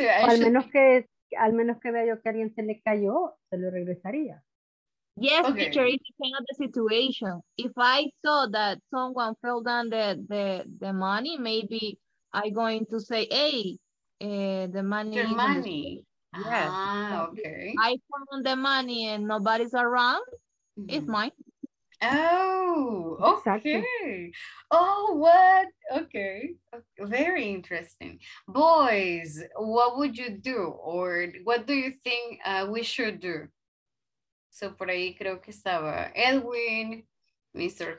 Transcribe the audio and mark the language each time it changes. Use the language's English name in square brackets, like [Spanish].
[Spanish] al menos que vea yo que alguien se le cayó, se lo regresaría. [English] Yes, okay. Teacher, it depends on the situation. If I saw that someone fell down the money, maybe I'm going to say, hey, the money. Your money. Yes. Ah, okay. I found the money and nobody's around. Mm-hmm. It's mine. Oh, okay. Exactly. Oh, what? Okay. Very interesting. Boys, what would you do? Or what do you think we should do? [Spanish] So, por ahí creo que estaba Edwin, Mr.